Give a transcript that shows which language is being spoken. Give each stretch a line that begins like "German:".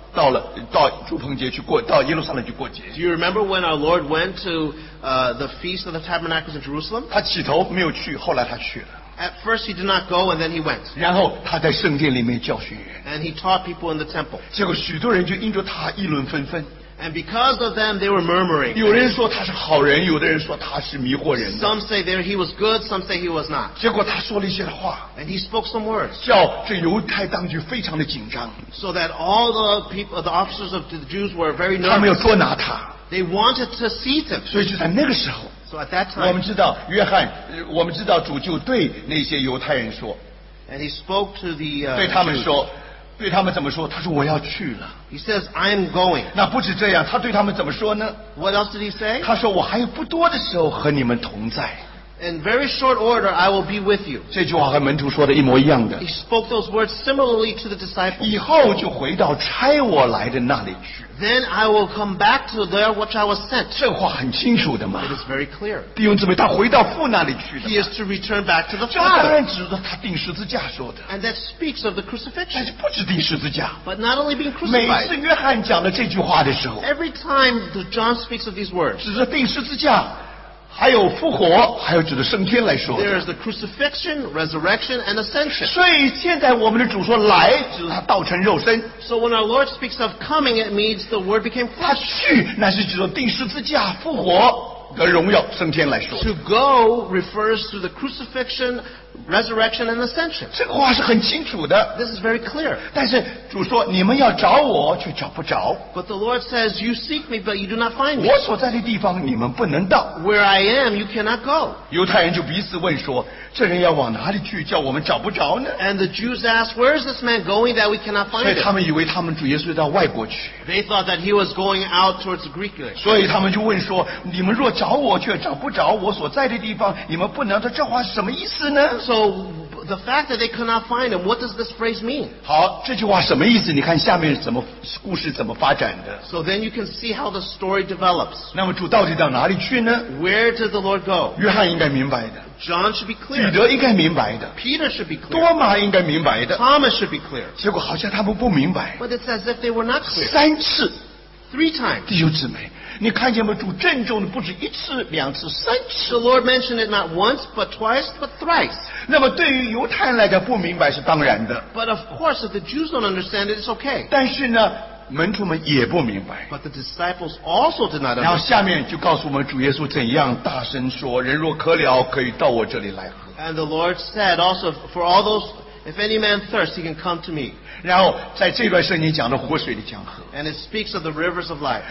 Chinese: 你记不记得有一次主耶稣到耶路撒冷去过节?
English: Do you remember when our Lord went to the Feast of the Tabernacles in Jerusalem?
Chinese: 他起头没有去, 后来他去了。
English: At first he did not go, and then he went.
Chinese: 然后他在圣殿里面教训人,
English: and he taught people in the temple.
Chinese: 结果许多人就因着他议论纷纷,
English: and because of them, they were murmuring.
Chinese: 有人说他是好人, 有的人说他是迷惑人的,
English: some say there he was good, some say he was not.
Chinese: 结果他说了一些话,
English: and he spoke some words.
Chinese: 叫这犹太当局非常的紧张,
English: so that all the people, the officers of the Jews were very nervous.
Chinese: 他们要捉拿他,
English: they wanted to seize him.
Chinese: 所以就在那个时候,
English: so at that time,
Chinese: 我们知道约翰, 我们知道主就对那些犹太人说,
English: and he spoke to the
Chinese: 对他们说, 对他们怎么说? 他说我要去了。
English: He says, I am going.
Chinese: 那不止这样, 他对他们怎么说呢?
English: What else did he say?
Chinese: 他说我还不多的时候和你们同在。
English: In very short order, I will be with you.
Chinese: 这句话和门徒说的一模一样的。
English: He spoke those words similarly to the disciples.
Chinese: 以后就回到差我来的那里去。
English: Then I will come back to there which I was sent.
Chinese: 这话很清楚的嘛,
English: it is very clear.
Chinese: 弟兄姊妹, 他回到父那里去的嘛,
English: he is to return back to the Father.
Chinese: 这当然指着他钉十字架说的,
English: and that speaks of the crucifixion.
Chinese: 但是不止钉十字架,
English: but not only being crucified.
Chinese: 每次约翰讲了这句话的时候,
English: every time John speaks of these words,
Chinese: 指着钉十字架, 还有复活, 还有指着升天来说的,
English: there is the crucifixion, resurrection, and ascension.
Chinese: 所以现在我们的主说来, 指着他道成肉身,
English: so when our Lord speaks of coming, it means the word became flesh.
Chinese: 他去, 那是指着钉十字架, 复活, 和荣耀, 升天来说的,
English: to go refers to the crucifixion, resurrection, and ascension.
Chinese: 这个话是很清楚的,
English: this is very clear.
Chinese: 但是主说, 你们要找我, 却找不着,
English: but the Lord says, you seek me, but you do not find me.
Chinese: 我所在的地方, 你们不能到,
English: where I am, you cannot go.
Chinese: 犹太人就彼此问说, 这人要往哪里去, 叫我们找不着呢?
English: And the Jews asked, where is this man going that we cannot find him?
Chinese: 所以他们以为他们主耶稣到外国去,
English: they thought that he was going out towards the Greek land.
Chinese: 所以他们就问说, 你们若找我, 却找不着, 我所在的地方, 你们不能到, 这话什么意思呢?
English: So the fact that they could not find him, what does this phrase mean?
Chinese: 好, 这句话什么意思? 你看下面怎么, 故事怎么发展的?
English: So then you can see how the story develops.
Chinese: 那么主到底到哪里去呢?
English: Where did the Lord go?
Chinese: 约翰应该明白的。
English: John should be clear.
Chinese: 彼得应该明白的。
English: Peter should be clear.
Chinese: 多马应该明白的。
English: Thomas should be clear.
Chinese: 结果好像他们不明白。
English: But it's as if they were not clear.
Chinese: 三次。
English: Three times.
Chinese: 弟兄姊妹, 你看见吗? 主郑重的不止一次, 两次, 三次。
English: The Lord mentioned it not once, but twice, but thrice.
Chinese: 那么对于犹太人来讲不明白是当然的。
English: But of course, if the Jews don't understand it, it's okay.
Chinese: 但是呢, 门徒们也不明白,
English: but the disciples also did not understand.
Chinese: 然后下面就告诉我们主耶稣怎样大声说, 人若渴了, 可以到我这里来喝。
English: And the Lord said also, for all those, if any man thirsts, he can come to me.
Chinese: 然后在这段圣经讲的活水的江河,
English: and it speaks of the rivers of life.